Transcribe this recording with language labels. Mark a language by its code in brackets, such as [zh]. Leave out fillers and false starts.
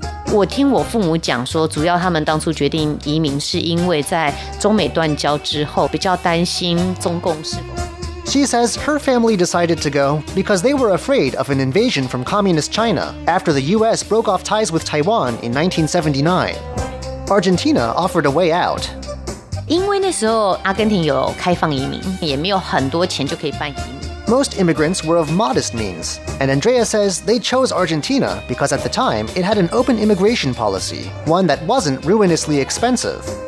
[zh] 我听我父母讲说，主要他们当初决定移民是因为在中美断交之后，比较担心中共是否。 [en] She says her family decided to go because they were afraid of an invasion from Communist China after the U.S. broke off ties with Taiwan in 1979. Argentina offered a way out. [zh] 因为那时候阿根廷有开放移民，也没有很多钱就可以办移民。 [en] Most immigrants were of modest means, and Andrea says they chose Argentina because at the time it had an open immigration policy, one that wasn't ruinously expensive.